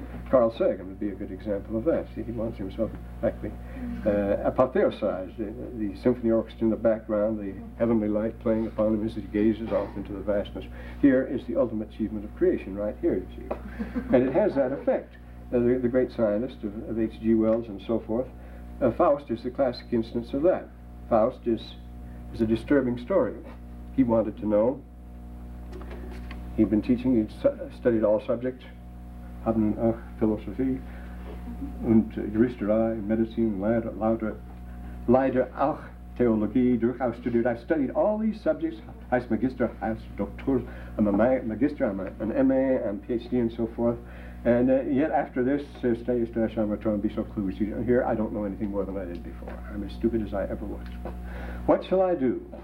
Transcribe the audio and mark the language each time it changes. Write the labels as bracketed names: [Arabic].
[English] Carl Sagan would be a good example of that. See, he wants himself actually apotheosized, the symphony orchestra in the background, the heavenly light playing upon him as he gazes off into the vastness. Here is the ultimate achievement of creation, right here, you see. And it has that effect. The great scientist of H.G. Wells and so forth, Faust is the classic instance of that. Faust is a disturbing story. He wanted to know. He'd been teaching, he'd studied all subjects, [German] haben auch Philosophie und Juristerei, Medizin, leider auch Theologie durchaus studiert. [English] I've studied all these subjects, [German] heißt Magister, heißt Doktor, [English] I'm a Magister, I'm an MA, I'm PhD and so forth. And yet after this, here I don't know anything more than I did before. I'm as stupid as I ever was. What shall I do?